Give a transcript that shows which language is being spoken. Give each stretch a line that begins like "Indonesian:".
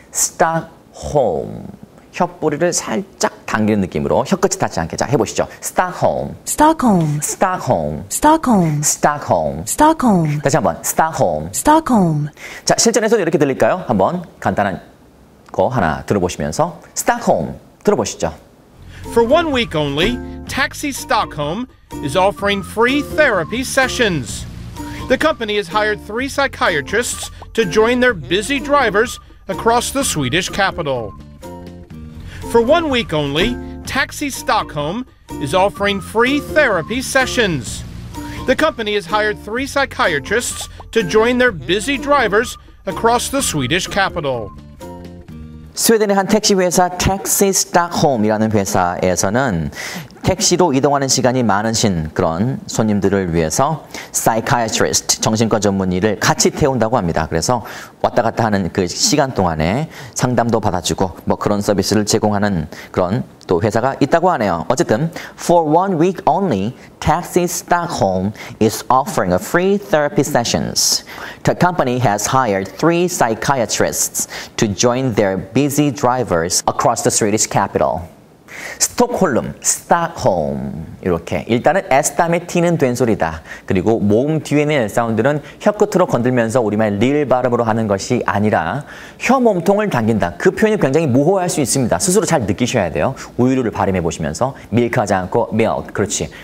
Korean: 스탁홈. 혀뿌리를 살짝 당기는 느낌으로 혀끝이 닿지 않게 자 해보시죠.
English: Stockholm. Stockholm. Stockholm. Stockholm. Stockholm. Stockholm.
Korean: 다시 한번 Stockholm.
English: Stockholm.
Korean: 자 실전에서 이렇게 들릴까요? 한번 간단한 거 하나 들어보시면서 Stockholm 들어보시죠.
English: For one week only, Taxi Stockholm is offering free therapy sessions. The company has hired three psychiatrists to join their busy drivers across the Swedish capital. For one week only, Taxi Stockholm is offering free therapy sessions. The company has hired three psychiatrists to join their busy drivers across the Swedish capital.
Korean: 스웨덴의 한 택시 회사 Taxi Stockholm이라는 회사에서는 택시로 이동하는 시간이 많으신 그런 손님들을 위해서 psychiatrist, 정신과 전문의를 같이 태운다고 합니다. 그래서 왔다 갔다 하는 그 시간 동안에 상담도 받아주고 뭐 그런 서비스를 제공하는 그런 또 회사가 있다고 하네요. 어쨌든
English: for one week only, Taxi Stockholm is offering a free therapy sessions. The company has hired three psychiatrists to join their busy drivers across the Swedish capital.
Korean: 스톡홀름, 스탁홈 이렇게 일단은 S 다음에 T는 된 소리다. 그리고 모음 뒤에 있는 L 사운드는 혀 끝으로 건들면서 우리말 릴 발음으로 하는 것이 아니라 혀 몸통을 당긴다. 그 표현이 굉장히 모호할 수 있습니다. 스스로 잘 느끼셔야 돼요. 우유를 발음해 보시면서 밀크 하지 않고 milk. 그렇지.